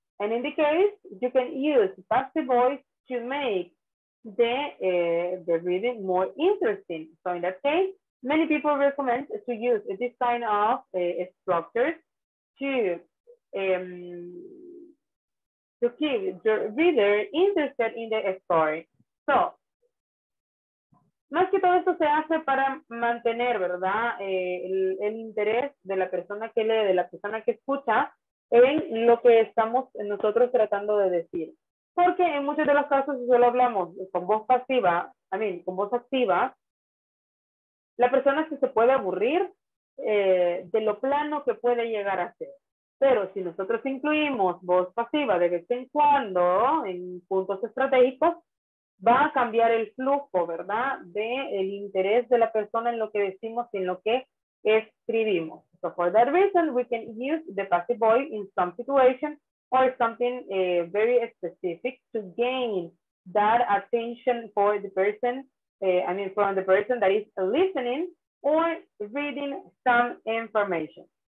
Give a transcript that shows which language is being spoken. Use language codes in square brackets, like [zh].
[en] And in the case, you can use passive voice to make the reading more interesting. So in that case, many people recommend to use this kind of structures to keep the reader interested in the story. So [es] más que todo esto se hace para mantener, ¿verdad? El interés de la persona que lee, de la persona que escucha, en lo que estamos nosotros tratando de decir. Porque en muchos de los casos, si solo hablamos con voz pasiva, con voz activa, la persona sí se puede aburrir de lo plano que puede llegar a ser. Pero si nosotros incluimos voz pasiva de vez en cuando, en puntos estratégicos, va a cambiar el flujo, ¿verdad?, del interés de la persona en lo que decimos y en lo que escribimos. [en] So for that reason, we can use the passive voice in some situations or something very specific to gain that attention for the person, from the person that is listening or reading some information.